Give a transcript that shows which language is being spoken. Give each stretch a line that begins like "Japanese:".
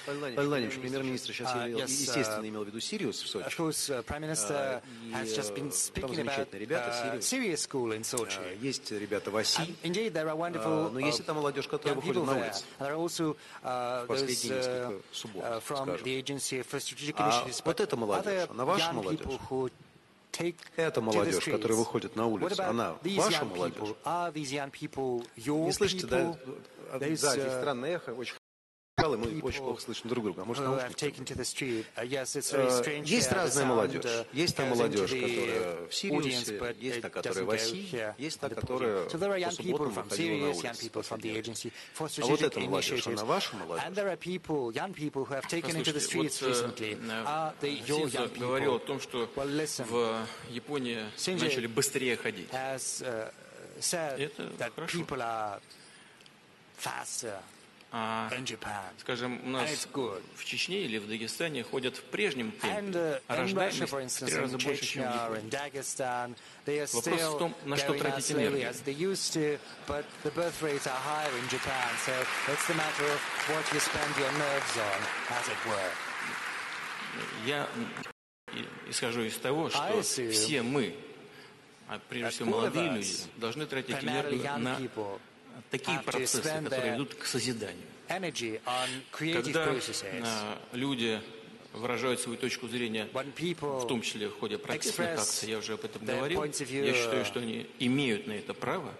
Russian: Владимир Владимирович, премьер-министр сейчас, естественно, имел в виду Сириус в Сочи. Замечательные ребята,
English: Сириус School in Sochi.
Russian: Есть ребята в ОСИ.
English: Indeed, there are wonderful.
Russian: Но есть и там молодежь, которая выходит на улицу.
English: There are also from the agency for strategic initiatives.
Russian: Вот это молодежь, она ваша молодежь. Это молодежь, которая выходит на улицу. Она ваша молодежь. Не слышите, да? Да, здесь странное эхо. Очень хорошо. Мы очень плохо слышим друг друга. Может, есть разная молодежь. Есть та молодежь, которая в Сириусе, есть та, которая в ОСИ, есть та, которая по субботам выходила на улицу. А вот эта молодежь, она ваша молодежь? Послушайте, вот Синза говорил о том, что в Японии начали быстрее ходить. Это хорошо.
English: Faster.
Russian: Скажем, у нас в Чечне или в Дагестане ходят в прежнем темпе, а рождаемость в три раза больше, чем в Японии. Вопрос в том, на что тратить энергию.
English: But the birth rates are higher in Japan, so it's the matter of what you spend your nerves on, as it were.
Russian: Я исхожу из того, что все мы, а прежде всего молодые люди, должны тратить энергию на такие процессы, которые ведут к созиданию. Когда люди выражают свою точку зрения, в том числе в ходе протестных акций, я уже об этом говорил, я считаю, что они имеют на это право.